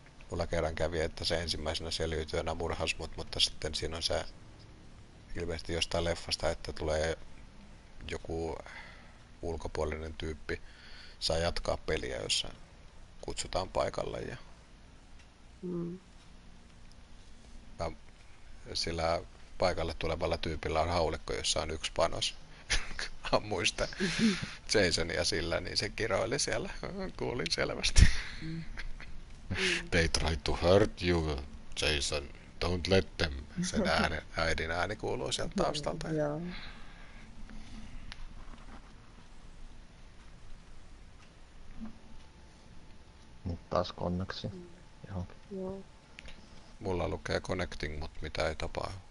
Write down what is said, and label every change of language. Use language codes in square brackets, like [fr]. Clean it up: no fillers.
[fi] Mulla kerran kävi, että se ensimmäisenä selviytyjänä murhas mut, mutta sitten siinä on se ilmeisesti jostain leffasta, että tulee joku ulkopuolinen tyyppi, saa jatkaa peliä, jossa kutsutaan paikalle ja... Mä, sillä paikalle tulevalla tyypillä on haulikko, jossa on yksi panos. Muista Jasonia sillä, niin se kiroili siellä. Kuulin selvästi. [en] They try to hurt you, Jason. Don't let them. [fi] Sen äidin ääni kuuluu sieltä taustalta. Nyt taas konneksi. Mulla lukee connecting, mutta mitä ei tapaa.